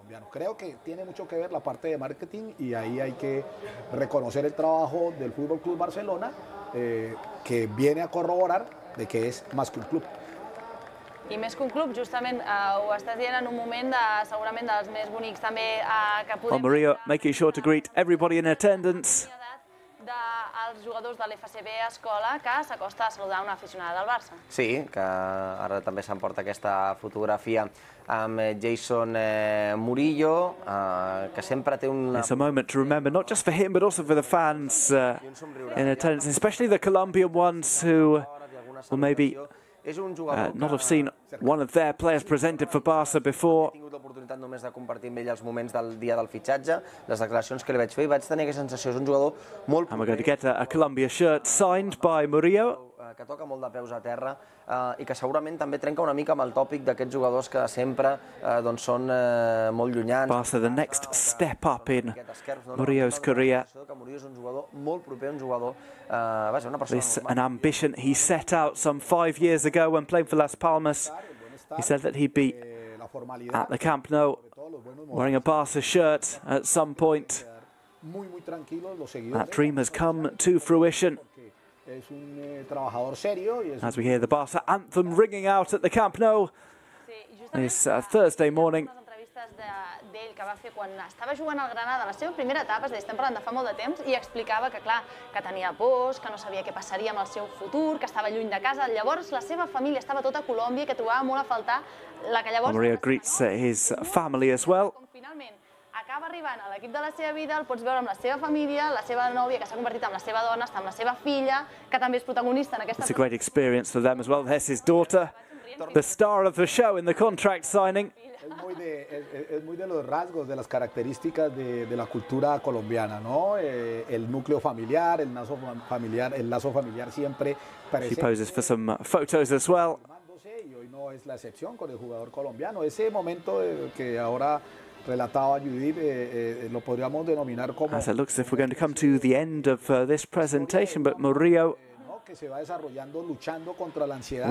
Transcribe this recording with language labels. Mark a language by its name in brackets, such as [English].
[Spanish] Creo que tiene mucho que ver la parte de marketing, y ahí hay que reconocer el trabajo del Fútbol Club Barcelona, que viene a corroborar de que es más que un club. [Catalan] I més que un club, justament, ho estàs dient en un moment de, segurament dels més bonics també que podem... [English] Well, Murillo, making sure to greet everybody in attendance. [Catalan] Dels jugadors de l'FCB Escola, que s'acosta a saludar una aficionada del Barça. Sí, que ara també s'emporta aquesta fotografia amb Jason Murillo, que sempre té un... [English] It's a moment to remember, not just for him, but also for the fans in attendance, especially the Colombian ones who will maybe not have seen one of their players presented for Barça before. [Catalan] He tingut l'oportunitat només de compartir amb ell els moments del dia del fitxatge, les declaracions que li vaig fer, i vaig tenir aquesta sensació, és un jugador molt... [English] And we're going to get a Colombia shirt signed by Murillo. [Catalan] Que toca molt de peus a terra i que segurament també trenca una mica amb el tòpic d'aquests jugadors que sempre són molt llunyans. [English] Barça, the next step up in Murillo's career. [Catalan] Murillo és un jugador molt proper, un jugador... [English] This an ambition he set out some 5 years ago when playing for Las Palmas. He said that he'd be at the Camp Nou wearing a Barça shirt at some point. That dream has come to fruition. [Spanish] es un trabajador serio y es [English] As we hear the Barça anthem ringing out at the Camp Nou. It's Thursday morning. [Catalan] D'ell que va fer quan estava jugant al Granada, la seva primera etapa, és a dir, estem parlant de fa molt de temps, i explicava que, clar, que tenia pors, que no sabia què passaria amb el seu futur, que estava lluny de casa. Llavors, la seva família estava tota a Colòmbia, que trobava molt a faltar la que llavors... [English] Maria greets his family as well. [Catalan] Com finalment acaba arribant a l'equip de la seva vida, el pots veure amb la seva família, la seva nòvia, que s'ha convertit en la seva dona, està amb la seva filla, que també és protagonista en aquesta... [English] It's a great experience for them as well. There's his daughter, the star of the show in the contract signing. [Spanish] Es muy de los rasgos, de las características de la cultura colombiana, ¿no? El núcleo familiar, el lazo familiar siempre presente. [English] He poses for some photos as well. [Spanish] Y hoy no es la excepción con el jugador colombiano. Ese momento que ahora relataba Judith, lo podríamos denominar como... [English] As it looks as if we're going to come to the end of this presentation, but Murillo... [Spanish] Que se va desarrollando, luchando contra la ansiedad...